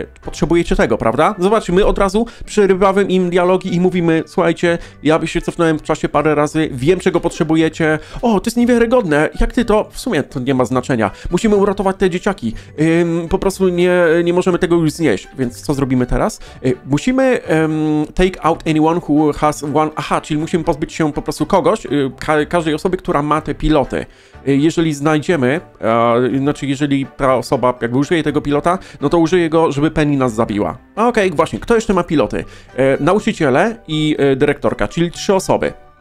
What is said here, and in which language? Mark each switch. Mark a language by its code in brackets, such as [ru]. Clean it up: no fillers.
[pl] Potrzebujecie tego, prawda? Zobacz, my od razu przerywamy im dialogi i mówimy: słuchajcie, ja się cofnąłem w czasie parę razy, wiem, czego potrzebujecie. O, to jest niewiarygodne. Jak ty to? W sumie to nie ma znaczenia. Musimy uratować te dzieciaki. Po prostu nie możemy tego już znieść, więc co zrobimy teraz? Musimy [en] take out anyone who has one... [pl] czyli musimy pozbyć się po prostu kogoś, każdej osoby, która ma te piloty. Jeżeli znajdziemy, jeżeli ta osoba jakby użyje tego pilota, no to użyje go, żeby Penny nas zabiła. Okej, właśnie, kto jeszcze ma piloty? Nauczyciele i dyrektorka, czyli trzy osoby.